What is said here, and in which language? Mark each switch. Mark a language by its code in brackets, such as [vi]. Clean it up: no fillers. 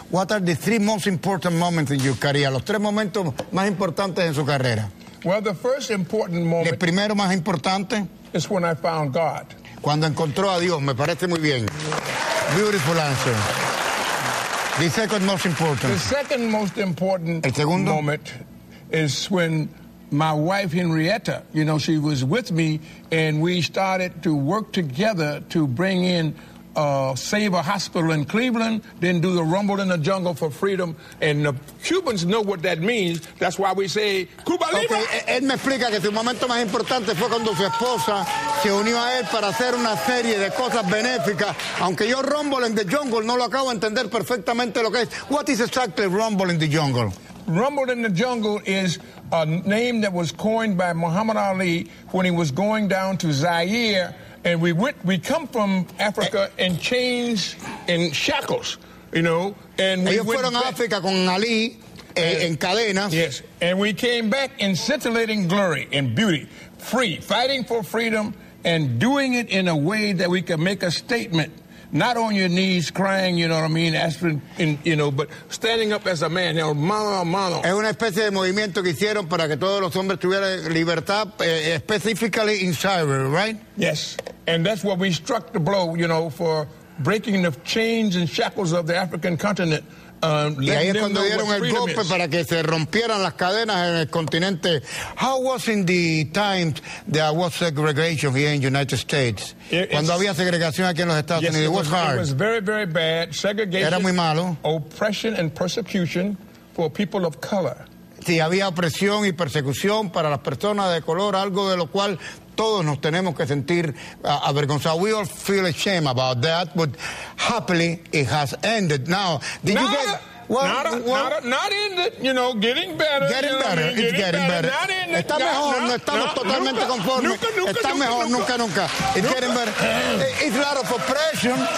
[en] What are the three most important moments in your career? [es] Los tres momentos más importantes en su carrera. [en] Well, the first important moment. [es] El primero más importante. [en] Is when I found God. [es] Cuando encontró a Dios, me parece muy bien. [en] Beautiful answer. The second most important. The second most important. [es] El segundo. [en] Moment is when my wife Henrietta, you know, she was with me, and we started to work together to bring in. Save a hospital in Cleveland, then do the Rumble in the Jungle for Freedom, and the Cubans know what that means. That's why we say Cuba Libre. Okay. [es] Él me explica que su momento más importante fue cuando su esposa se unió a él para hacer una serie de cosas benéficas. Aunque yo Rumble in the Jungle no lo acabo de entender perfectamente lo que es. [en] What is exactly Rumble in the Jungle? Rumble in the Jungle is a name that was coined by Muhammad Ali when he was going down to Zaire. And we come from Africa in chains, in shackles, you know. And we [es] ellos fueron a África con Ali en cadenas. [en] Yes, and we came back in scintillating glory and beauty, free, fighting for freedom and doing it in a way that we can make a statement. Not on your knees crying, you know what I mean, aspirin, you know, but standing up as a man, you know, [es] mano a mano. Es una especie de movimiento que hicieron para que todos los hombres tuvieran libertad, [en] specifically in Cyber, right? Yes, and that's what we struck the blow, you know, for breaking the chains and shackles of the African continent. [es] Y ahí es cuando dieron el golpe para que se rompieran las cadenas en el continente. [en] How was in the times there was segregation here in the United States? [es] Cuando había segregación aquí en los Estados Unidos, [en] it was hard. It was very, very bad. Segregation. [es] Era muy malo. [en] Oppression and persecution for people of color. [es] si había opresión y persecución para las personas de color, algo de lo cual todos nos tenemos que sentir avergonzados. [en] We all feel ashamed about that, but happily it has ended. Now, did you get... Well, getting better. It's getting better. Not ended. [es] Estamos totalmente conformes. Nunca, nunca. [en] It's getting better. It's a lot of oppression.